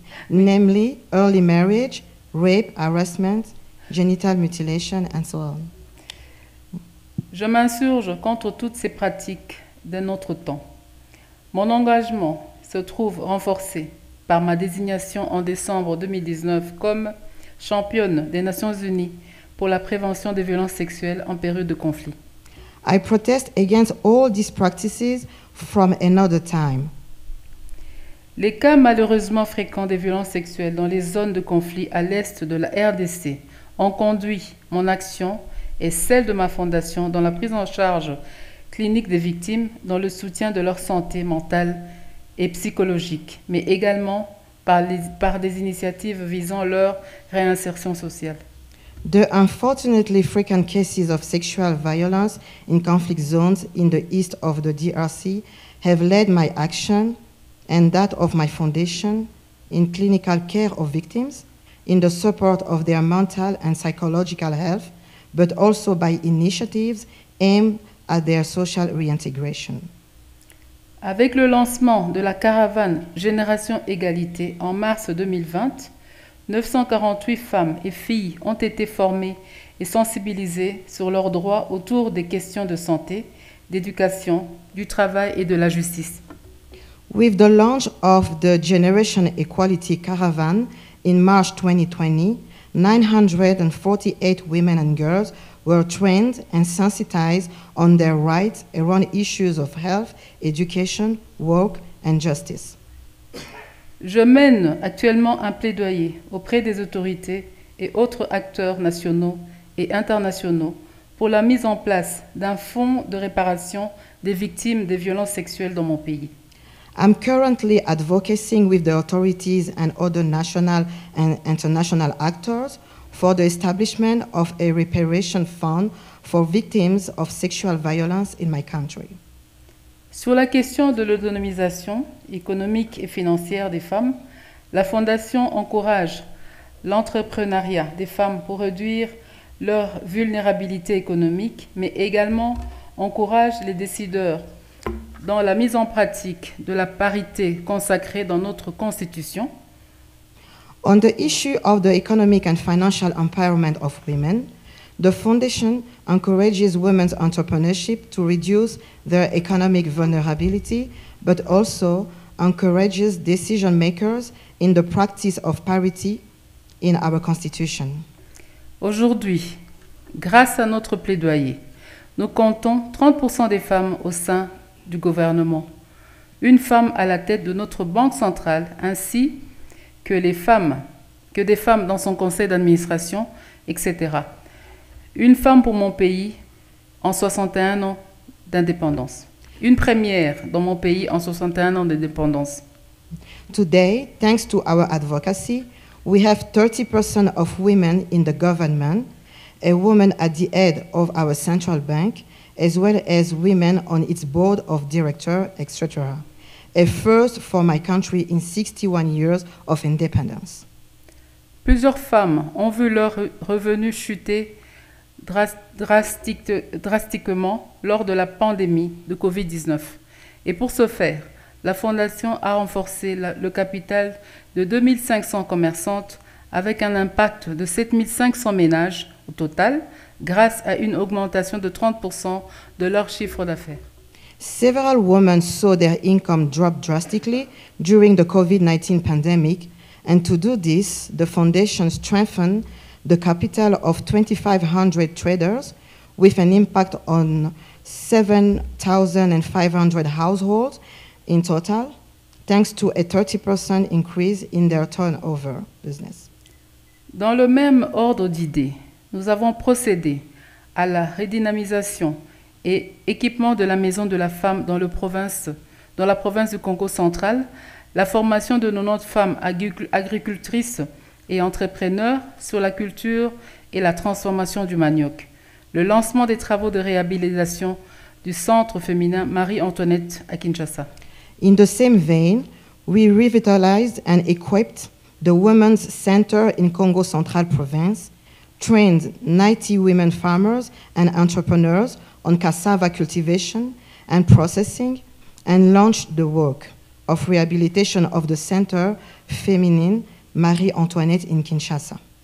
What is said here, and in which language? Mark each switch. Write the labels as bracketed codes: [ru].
[en] Namely, early marriage, rape, harassment, genital mutilation, and so on. [fr] Je m'insurge contre toutes ces pratiques de notre temps. Mon engagement se trouve renforcé par ma désignation en décembre 2019 comme championne des Nations Unies pour la prévention des violences sexuelles en période de conflit. [en] I protest against all these practices from another time. [fr] Les cas malheureusement fréquents des violences sexuelles dans les zones de conflit à l'est de la RDC ont conduit mon action et celle de ma fondation dans la prise en charge clinique des victimes, dans le soutien de leur santé mentale et psychologique, mais également par des initiatives visant leur réinsertion sociale. [en] The unfortunately frequent cases of sexual violence in conflict zones in the east of the DRC have led my action and that of my foundation in clinical care of victims, in the support of their mental and psychological health, but also by initiatives aimed at their social reintegration. [fr] Avec le lancement de la caravane Génération Égalité en mars 2020, 948 femmes et filles ont été formées et sensibilisées sur leurs droits autour des questions de santé, d'éducation, du travail et de la justice. [en] With the launch of the Generation Equality Caravan in March 2020, 948 women and girls were trained and sensitized on their rights around issues of health, education, work, and justice. [fr] Je mène actuellement un plaidoyer auprès des autorités et autres acteurs nationaux et internationaux pour la mise en place d'un fonds de réparation des victimes des violences sexuelles dans mon pays. [en] I'm currently advocating with the authorities and other national and international actors for the establishment of a reparation fund for victims of sexual violence in my country. [fr] Sur la question de l'autonomisation économique et financière des femmes, la Fondation encourage l'entrepreneuriat des femmes pour réduire leur vulnérabilité économique, mais également encourage les décideurs dans la mise en pratique de la parité consacrée dans notre Constitution. [en] On the issue of the economic and financial empowerment of women, the Foundation encourages women's entrepreneurship to reduce their economic vulnerability, but also encourages decision makers in the practice of parity in our Constitution. [fr] Aujourd'hui, grâce à notre plaidoyer, nous comptons 30% des femmes au sein du gouvernement, une femme à la tête de notre banque centrale, ainsi que les femmes, que des femmes dans son conseil d'administration, etc. Une femme pour mon pays en 61 ans d'indépendance. Une première dans mon pays en 61 ans d'indépendance. [en] Today, thanks to our advocacy, We have 30% of women in the government, a woman at the head of our central bank, as well as women on its board of directors, etc. A first for my country in 61 years of independence. [fr] Plusieurs femmes ont vu leurs revenus chuter drastiquement lors de la pandémie de COVID-19. Et pour ce faire, la Fondation a renforcé le capital de 2500 commerçantes avec un impact de 7500 ménages au total grâce à une augmentation de 30% de leur chiffre d'affaires. [en] Several women saw their income drop drastically during the COVID-19 pandemic, and to do this, the foundation strengthened the capital of 2,500 traders with an impact on 7,500 households in total, thanks to a 30% increase in their turnover business. [fr] Dans le même ordre d'idées, nous avons procédé à la redynamisation et équipement de la maison de la femme dans la province du Congo central, la formation de 90 femmes agricultrices et entrepreneurs sur la culture et la transformation du manioc, le lancement des travaux de réhabilitation du centre féminin Marie-Antoinette à Kinshasa. [en] In the same vein, we revitalized and equipped the women's center in Congo Central Province, trained 90 women farmers and entrepreneurs on cassava cultivation and processing, and launched the work of rehabilitation of the center féminine Marie-Antoinette in Kinshasa.